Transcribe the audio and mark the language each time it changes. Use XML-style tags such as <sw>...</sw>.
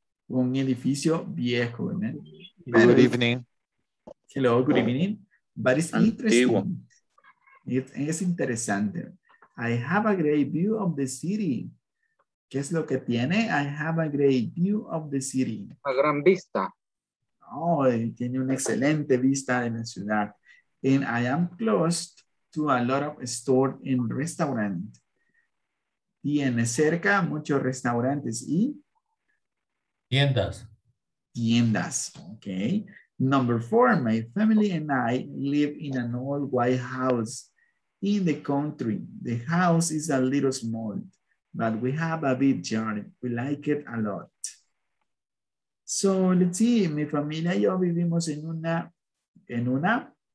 <es>Un edificio viejo, ¿no?</es> <en>Good evening. Hello, good evening. But it's interesting.</en> <es>Es interesante.</es> <en>I have a great view of the city.</en> <es>¿Qué es lo que tiene?</es> <en>I have a great view of the city.</en> <es>A gran vista. Oh, tiene una excelente vista de la ciudad.</es> <en>And I am close to a lot of store and restaurant.</en> <es>Tiene cerca muchos restaurantes y... Tiendas. Tiendas, okay.</es> <en>Number four, my family and I live in an old white house in the country. The house is a little small, but we have a big yard. We like it a lot. So let's see,</en> <es>mi familia y yo vivimos en una</es>